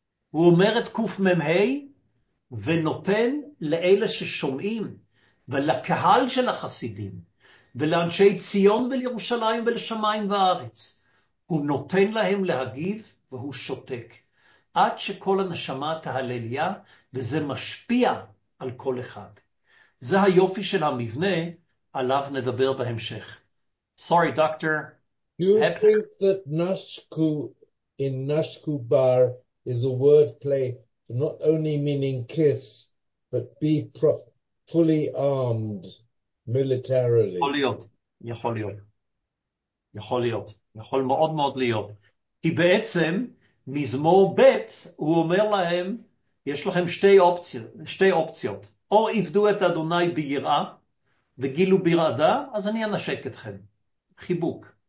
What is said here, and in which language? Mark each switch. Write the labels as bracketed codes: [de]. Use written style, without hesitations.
[he] הוא אומר את קוף ממהי, ונותן לאלה ששומעים, ולקהל של החסידים, ולאנשי ציון ולירושלים ולשמיים וארץ, הוא נותן להם להגיב, והוא שותק, עד שכל הנשמה תהלליה, וזה משפיע על כל אחד. זה היופי של המבנה, עליו נדבר בהמשך. [en] Sorry, doctor. Do you think that nashku in nashku bar is a word play not only meaning kiss, but be fully armed militarily? [he] יכול להיות, יכול להיות. יכול להיות, יכול מאוד מאוד להיות. כי בעצם, מזמור ב' הוא אומר להם, יש לכם שתי אופציות. או עבדו את אדוני ביראה וגילו ברעדה, אז אני אנשק אתכם. חיבוק.